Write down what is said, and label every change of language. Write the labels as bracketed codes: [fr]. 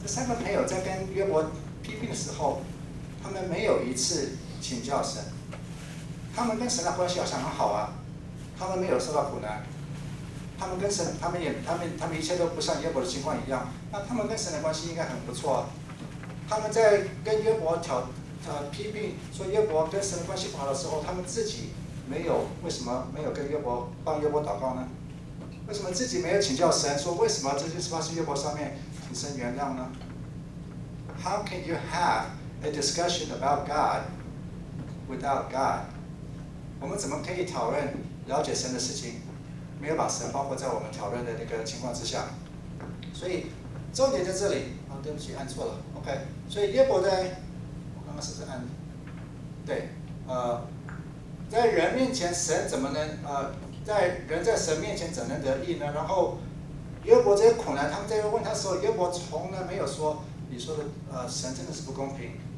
[zh] 这三个朋友在跟约伯批评的时候，他们没有一次请教神，他们跟神的关系好像很好啊，他们没有受到苦难，他们跟神，他们一切都不像约伯的情况一样，那他们跟神的关系应该很不错啊。他们在跟约伯批评说约伯跟神的关系不好的时候，他们自己没有，为什么没有跟约伯帮约伯祷告呢？为什么自己没有请教神说为什么这件事发生约伯上面，请神原谅呢？ [en] How can you have a discussion about God without God？ [zh] 我们怎么可以讨论了解神的事情，没有把神包括在我们讨论的那个情况之下？所以重点在这里。对不起，按错了。OK， 所以约伯在，我刚刚是不是按？对，在人面前神怎么能在人在神面前怎能得义呢？然后约伯这些苦难，他们在问他的时候，约伯从来没有说你说的神真的是不公平。